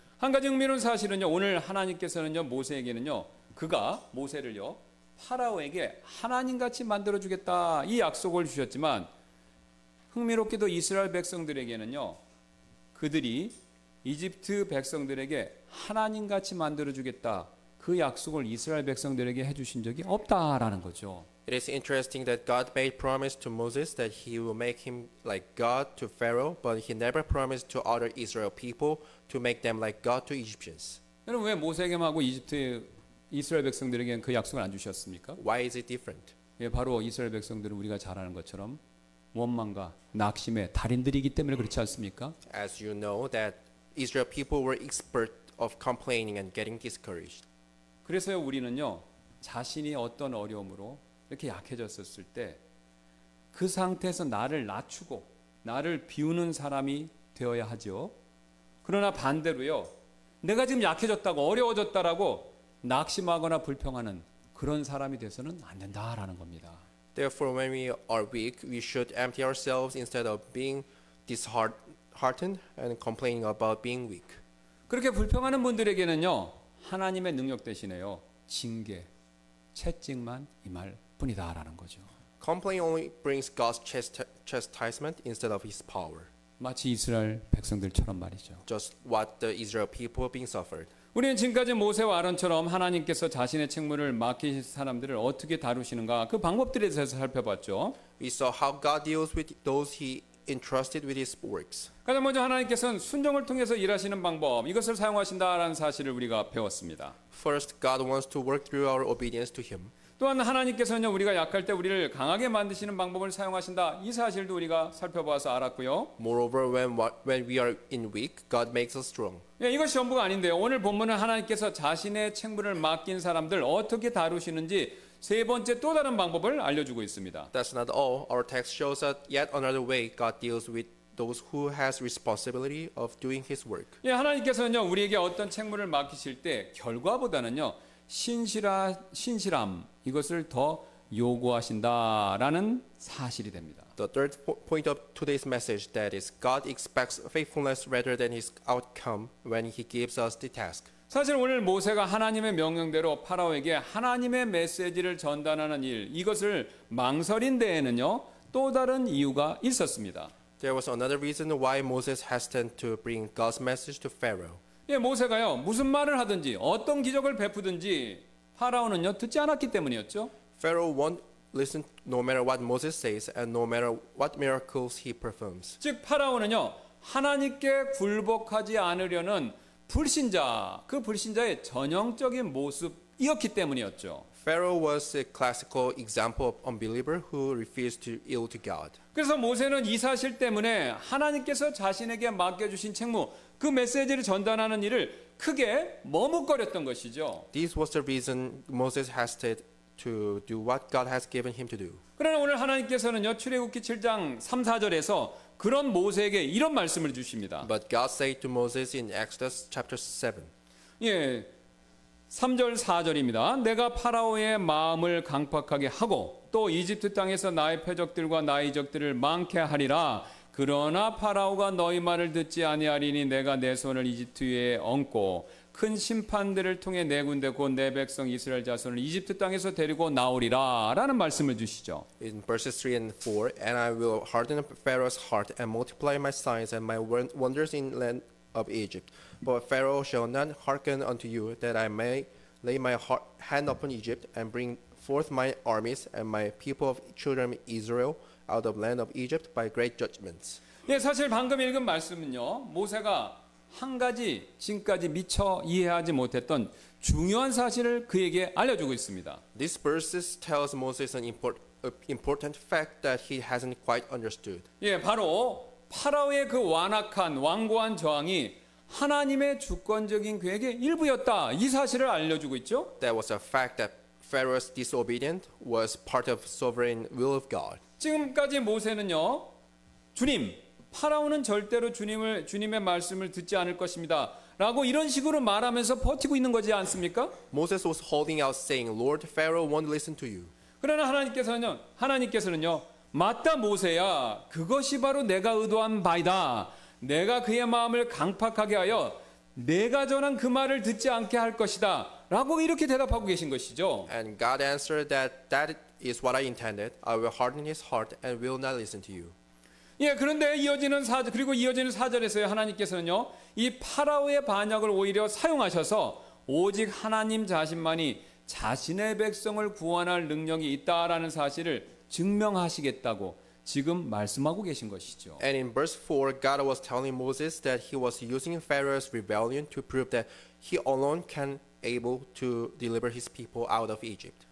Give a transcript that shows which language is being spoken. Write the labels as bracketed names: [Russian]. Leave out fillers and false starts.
[Korean] 한 가지 흥미로운 사실은요. 오늘 하나님께서는요. 모세에게는요. 그가 모세를요. 파라오에게 하나님같이 만들어주겠다 이 약속을 주셨지만 흥미롭게도 이스라엘 백성들에게는요. 그들이 이집트 백성들에게 하나님같이 만들어주겠다 그 약속을 이스라엘 백성들에게 해주신 적이 없다라는 거죠. [English] It is interesting that God made promise to Moses that he will make him like God to Pharaoh, but he never promised to other Israel people to make them like God to Egyptians. [Korean] 여러분 왜 모세에게만 하고 이집트 이스라엘 백성들에게는 그 약속을 안 주셨습니까? [English] Why is it different? [Korean] 예, 바로 이스라엘 백성들은 우리가 잘 아는 것처럼 원망과 낙심의 달인들이기 때문에 그렇지 않습니까? [English] As you know that Israel people were expert of complaining and getting discouraged. [Korean] 그래서 우리는요 자신이 어떤 어려움으로 이렇게 약해졌었을 때 그 상태에서 나를 낮추고 나를 비우는 사람이 되어야 하죠. 그러나 반대로요. 내가 지금 약해졌다고 어려워졌다라고 낙심하거나 불평하는 그런 사람이 돼서는 안 된다라는 겁니다. [English] Therefore when we are weak, we should empty ourselves instead of being disheartened and complaining about being weak. [Korean] 그렇게 불평하는 분들에게는요. 하나님의 능력 대신에요. 징계, 채찍만 임할 뿐이다라는 거죠. [English] Complain only brings God's chastisement instead of His power. [Korean] 마치 이스라엘 백성들처럼 말이죠. [English] Just what the Israel people being suffered. [Korean] 우리는 지금까지 모세와 아론처럼 하나님께서 자신의 책무를 맡기신 사람들을 어떻게 다루시는가 그 방법들에 대해서 살펴봤죠. [English] We saw how God deals with those He entrusted with His works. [Korean] 가장 먼저 하나님께서는 순종을 통해서 일하시는 방법 이것을 사용하신다라는 사실을 우리가 배웠습니다. [English] First, God wants to work through our obedience to Him. [Korean] 또한 하나님께서는요 우리가 약할 때 우리를 강하게 만드시는 방법을 사용하신다 이 사실도 우리가 살펴보아서 알았고요. [English] Moreover, when we are in weak, God makes us strong. [Korean] 예, 이것이 전부가 아닌데요. 오늘 본문은 하나님께서 자신의 책무를 맡긴 사람들 어떻게 다루시는지 세 번째 또 다른 방법을 알려주고 있습니다. [English] That's not all. Our text shows us yet another way God deals with those who has responsibility of doing His work. [Korean] 예, 하나님께서는요 우리에게 어떤 책무를 맡기실 때 결과보다는요 신실함 이것을 더 요구하신다라는 사실이 됩니다. [English] The third point of today's message that is God expects faithfulness rather than his outcome when he gives us the task. [Korean] 사실 오늘 모세가 하나님의 명령대로 파라오에게 하나님의 메시지를 전달하는 일 이것을 망설인 데에는요 또 다른 이유가 있었습니다. [English] There was another reason why Moses hesitated to bring God's message to Pharaoh. [Korean] 예, 모세가요 무슨 말을 하든지 어떤 기적을 베푸든지 파라오는요 듣지 않았기 때문이었죠. [English] Pharaoh won't listen no matter what Moses says and no matter what miracles he performs. [Korean] 즉 파라오는요 하나님께 굴복하지 않으려는 불신자 그 불신자의 전형적인 모습이었기 때문이었죠. [English] Pharaoh was a classical example of unbeliever who refused to yield to God. [Korean] 그래서 모세는 이 사실 때문에 하나님께서 자신에게 맡겨주신 책무 그 메시지를 전달하는 일을 크게 머뭇거렸던 것이죠. [English] This was the reason Moses hesitated to do what God has given him to do. [Korean] 그러나 오늘 하나님께서는요 출애굽기 7장 3, 4절에서 그런 모세에게 이런 말씀을 주십니다. [English] But God said to Moses in Exodus chapter 7. [Korean] 예, 3절 4절입니다. 내가 파라오의 마음을 강퍅하게 하고 또 이집트 땅에서 나의 표적들과 나의 이적들을 많게 하리라. 그러나 파라오가 너희 말을 듣지 아니하리니 내가 내 손을 이집트에 얹고 큰 심판들을 통해 내 군대 곧 내 백성 이스라엘 자손을 이집트 땅에서 데리고 나오리라 라는 말씀을 주시죠. [English] In verses 3 and 4, and I will harden Pharaoh's heart and multiply my signs and my wonders in land of Egypt. But Pharaoh shall not hearken unto you that I may lay my hand upon Egypt and bring forth my armies and my people of children Israel out of land of Egypt by great judgments. [Korean] 예, 사실 방금 읽은 말씀은요. 모세가 한 가지 지금까지 미처 이해하지 못했던 중요한 사실을 그에게 알려주고 있습니다. [English] This verse tells Moses an important fact that he hasn't quite understood. [Korean] 예, 바로 파라오의 그 완악한 완고한 저항이 하나님의 주권적인 계획의 일부였다. 이 사실을 알려주고 있죠. [English] That was a fact that Pharaoh's disobedience was part of sovereign will of God. [Korean] 지금까지 모세는요. 주님 파라오는 절대로 주님의 말씀을 듣지 않을 것입니다. 라고 이런 식으로 말하면서 버티고 있는 거지 않습니까? [English] Moses was holding out saying, Lord, Pharaoh won't listen to you. [Korean] 그러나 하나님께서는요. 맞다 모세야. 그것이 바로 내가 의도한 바이다. 내가 그의 마음을 강팍하게 하여 내가 전한 그 말을 듣지 않게 할 것이다. 라고 이렇게 대답하고 계신 것이죠. [English] And God answered that is what I intended. I will harden his heart and will not listen to you. [Korean] 예, 그런데 이어지는 사절에서요 하나님께서는요 이 파라오의 반역을 오히려 사용하셔서 오직 하나님 자신만이 자신의 백성을 구원할 능력이 있다라는 사실을 증명하시겠다고 지금 말씀하고 계신 것이죠. [English] And in verse 4, God was telling Moses that He was using Pharaoh's rebellion to prove that He alone can able to deliver His people out of Egypt.